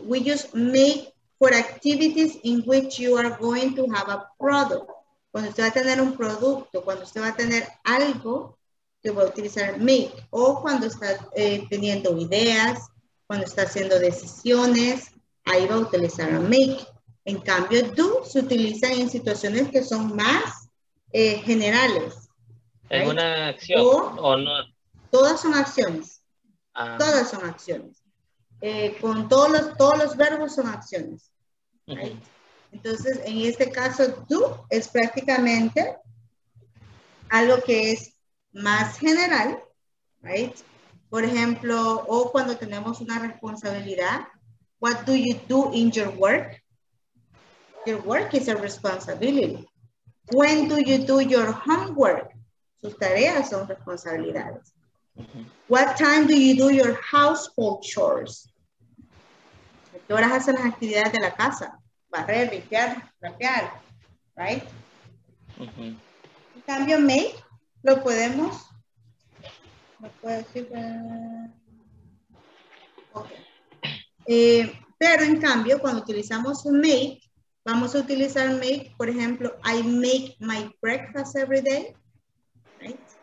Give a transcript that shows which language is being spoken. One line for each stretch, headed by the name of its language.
English: We use make for activities in which you are going to have a product.
Spanish: Cuando usted va a tener un producto, cuando usted va a tener algo, que va a utilizar make. O cuando está teniendo ideas, cuando está haciendo decisiones, ahí va a utilizar a make. En cambio, do se utiliza en situaciones que son más generales. ¿Es una acción o no? Todas son acciones. Todas son acciones. Con todos los verbos son acciones. Entonces, en este caso, do es prácticamente algo que es más general, right? Por ejemplo, o cuando tenemos una responsabilidad,
English: what do you do in your work? Your work is a responsibility. When do you do your homework?
Spanish: Sus tareas son responsabilidades.
English: What time do you do your household chores?
Spanish: ¿A qué horas hacen las actividades de la casa? Barrer, limpiar, trapear, right? En cambio, make, lo podemos. ¿Me puedo decir? Okay. Pero en cambio, cuando utilizamos make, vamos a utilizar make, por ejemplo,
English: I make my breakfast every day.
Spanish: Right?